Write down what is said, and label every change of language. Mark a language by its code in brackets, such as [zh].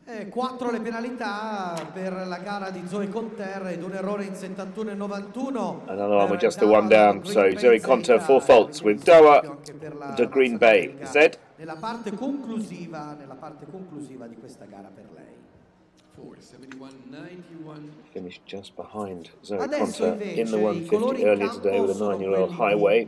[it] Quattro le penalità per la gara di Zoe Conter ed un errore in 71 e 91. [en] Another one with just the one down. So Zoe Conter, four faults with Doha de Green Bay. Zed. [it] Nella parte conclusiva di questa gara per lei. [en] 71, finished just behind Zoe Conter in the 150 earlier today with a 9-year-old Highway.